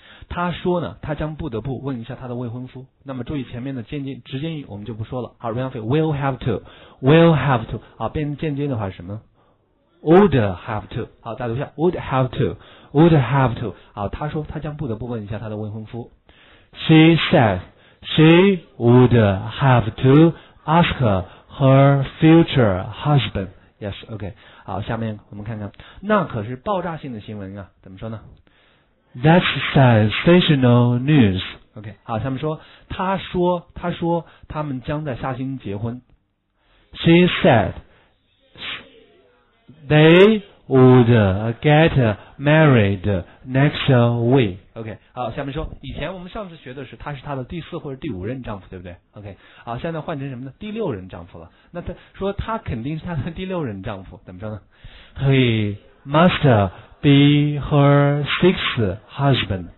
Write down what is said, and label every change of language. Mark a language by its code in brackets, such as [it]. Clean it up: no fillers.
[zh] 他说呢，他将不得不问一下他的未婚夫。那么注意前面的间接直接语我们就不说了。 [en] 好 ，Ralph will have to, will have to。 [zh] 好，变成间接的话是什么 [en] ？Would have to。 [zh] 好，再读一下 ， [en] would have to, would have to。 [zh] 好，他说他将不得不问一下他的未婚夫。 [en] She said she would have to ask her future husband. Yes, OK。 [zh] 好，下面我们看看，那可是爆炸性的新闻啊！怎么说呢？ [en] That's sensational news. [zh] OK, 好，下面说，他说他们将在下星结婚。 [en] She said they would get married next week. [zh] OK, 好，下面说，以前我们上次学的是他是他的第四或者第五任丈夫，对不对 ？OK, 好，现在换成什么呢？第六任丈夫了。那他说他肯定是他的第六任丈夫，怎么说呢 [en] ？He must. Be her sixth husband.